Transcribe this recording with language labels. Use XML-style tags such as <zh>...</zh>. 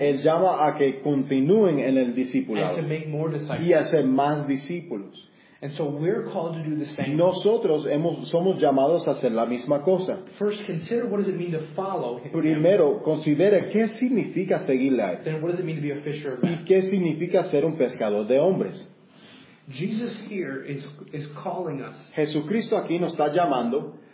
<es>él llama a que continúen en el discipulado</es> <en>and to make more disciples.</en> <es>Y hacer más discípulos.</es> <en>And so we're called to do the same.</en> <es>Nosotros somos llamados a hacer la misma cosa.</es> <en>First, consider what does it mean to follow him.</en> <es>Primero, considere qué significa seguirle a él.</es> <en>Then what does it mean to be a fisher of men?</en> <es>Y qué significa ser un pescador de hombres.</es> <en>Jesus here is calling us.</en> <es>Jesucristo aquí nos está llamando.</es>